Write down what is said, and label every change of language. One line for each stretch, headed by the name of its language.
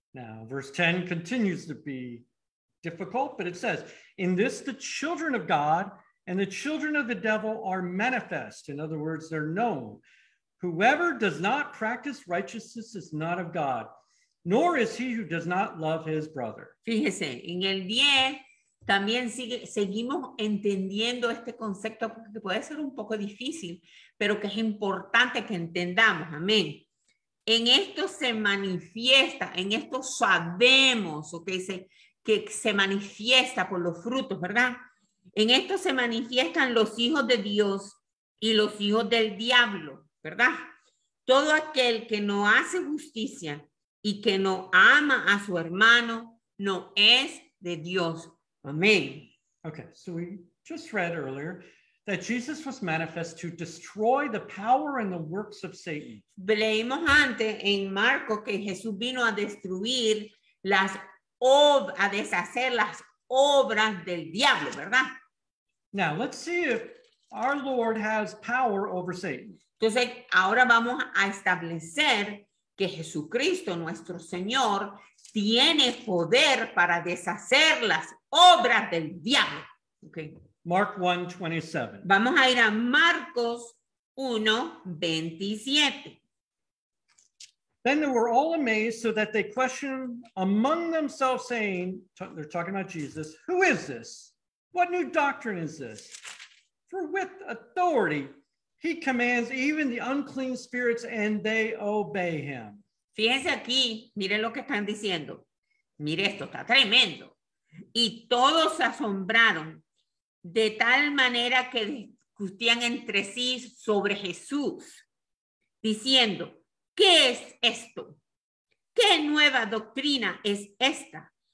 English: Now, verse 10 continues to be difficult, but it says, in this the children of God and the children of the devil are manifest. In other words, they're known. Whoever does not practice righteousness is not of God, nor is he who does not love his brother.
Spanish: Fíjese, en el 10 también seguimos entendiendo este concepto que puede ser un poco difícil, pero que es importante que entendamos. Amén. En esto se manifiesta, en esto sabemos, ok, que se manifiesta por los frutos, ¿verdad? En esto se manifiestan los hijos de Dios y los hijos del diablo, ¿verdad? Todo aquel que no hace justicia y que no ama a su hermano no es de Dios. Amén.
English: Okay, so we just read earlier that Jesus was manifest to destroy the power and the works of Satan.
Spanish: Leímos antes en Marcos que Jesús vino a destruir las obras, a deshacer las obras del diablo, ¿verdad?
English: Now, let's see if our Lord has power over Satan.
Spanish: Entonces, ahora vamos a establecer que Jesucristo, nuestro Señor, tiene poder para deshacer las obras del diablo.
English: Okay. Mark 1:27.
Spanish: Vamos a ir a Marcos 1:27.
English: Then they were all amazed, so that they questioned among themselves, saying, they're talking about Jesus, who is this? What new doctrine is this? For with authority he commands even the unclean spirits, and they obey him.
Spanish: Fíjense aquí, miren lo que están diciendo. Mire esto, está tremendo. Y todos se asombraron de tal manera que discutían entre sí sobre Jesús, diciendo, ¿qué es esto? ¿Qué nueva doctrina es esta?